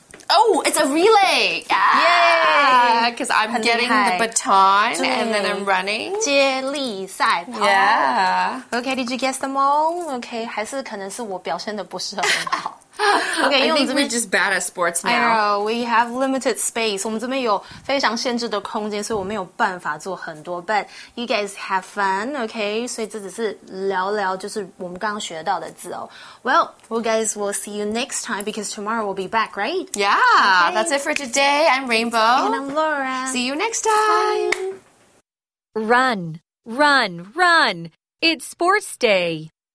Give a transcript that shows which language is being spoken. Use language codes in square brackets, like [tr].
[en] Oh, it's a relay Yay Because I'm getting the baton And then I'm running [zh] 接力赛跑 [en] Yeah Okay, did you guess them all? Okay, [zh] 还是可能是我表现的不是很好 [en] Okay, I think we're just bad at sports now. I know, we have limited space. [zh] 我们这边有非常限制的空间，所以我没有办法做很多。 [en] But you guys have fun, okay? [zh] 所以这只是聊聊，就是我们刚刚学到的字哦。 [en] Well, we guys will see you next time because tomorrow we'll be back, right? Yeah,、okay. that's it for today. I'm Rainbow. And I'm Laura. See you next time. Run, run, run. It's sports day.